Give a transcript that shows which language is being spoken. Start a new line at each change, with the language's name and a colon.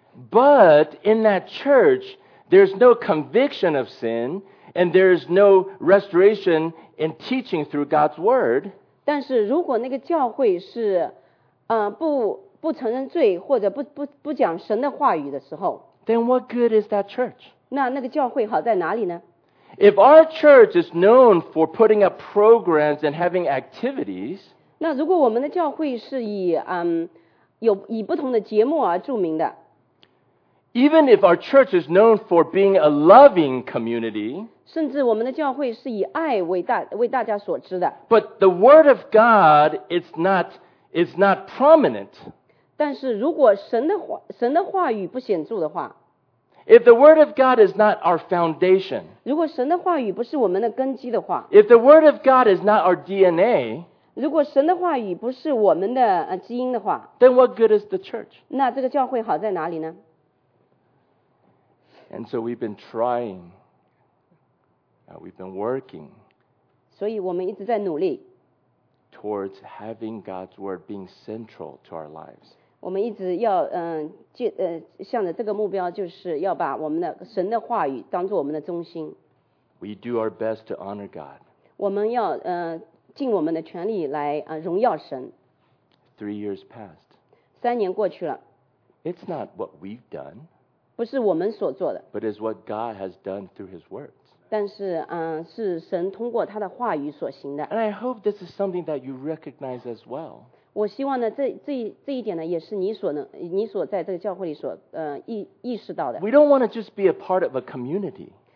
English: But in that church, there's no conviction of sin, and there's no restoration in teaching through God's word.
Chinese: 但是如果那个教会是，不承认罪或者不讲神的话语的时候
English: ，then what good is that church?
Chinese: 那个教会好在哪里呢
English: ？If our church is known for putting up programs and having activities,
Chinese: 那如果我们的教会是以有以不同的节目而著名的。
English: Even if our church is known for being a loving community,
Chinese: 甚至我们的教会是以爱为大家所知的。
English: But the word of God is not prominent.
Chinese: 但是如果神的话语不显著的话。
English: If the word of God is not our foundation,
Chinese: 如果神的话语不是我们的根基的话。
English: If the word of God is not our DNA,
Chinese: 如果神的话语不是我们的基因的话
English: Then what good is the church?
Chinese: 那这个教会好在哪里呢
English: And so we've been trying. We've been working.
Chinese: 所以我们一直在努力
English: Towards having God's word being central to our lives.
Chinese: 我们一直要向着这个目标就是要把我们的神的话语当作我们的中心
English: We do our best to honor God.
Chinese: 我们要尽我们的全力来荣耀神。
English: 3 years passed.
Chinese: 3年过去了。
English: It's not what we've done.
Chinese: 不是我们所做的。
English: But it's what God has done through His words.
Chinese: 但是是神通过他的话语所行的。
English: And I hope this is something that you recognize as well.
Chinese: 我希望呢，这一点呢，也是你所在这个教会里所意识到的。
English: We don't want to just be a part of a community.